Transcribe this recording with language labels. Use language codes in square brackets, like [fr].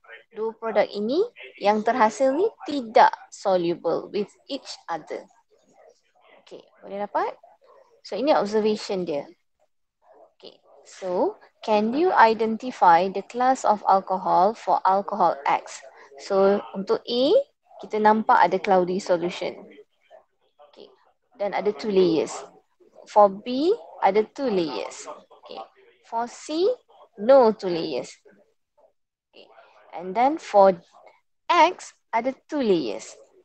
[ms] Dua produk ini yang terhasil ni tidak [en] soluble with each other. [ms] Okay, boleh dapat? So ini observation dia. [en] Okay, so can you identify the class of alcohol for alcohol X? [ms] So untuk A, kita nampak ada [en] cloudy solution. Okay. [ms] Dan ada [en] two layers. For B, ada two layers. Okay. For C, no two layers. Okay. And then for X, ada two layers.